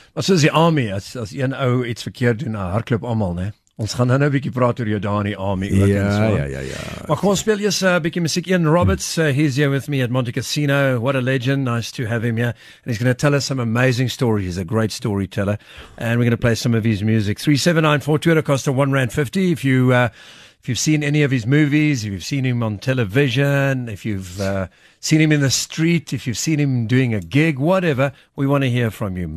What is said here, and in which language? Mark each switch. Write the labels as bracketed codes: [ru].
[af] Maar soos die army, as een ou iets verkeerd doen, nou hardklop allemaal, ne? Ons gaan nou bietjie praat oor jou daar in die army. Ja, so. ja. Maar kom, speel jy bietjie muziek. [en] Ian Roberts, he's here with me at Monte Cassino. What a legend, nice to have him here. And he's going to tell us some amazing stories. He's a great storyteller. And we're going to play some of his music. 37942 at a cost of R1.50. If you've seen any of his movies, if you've seen him on television, if you've seen him in the street, if you've seen him doing a gig, whatever, we want to hear from you.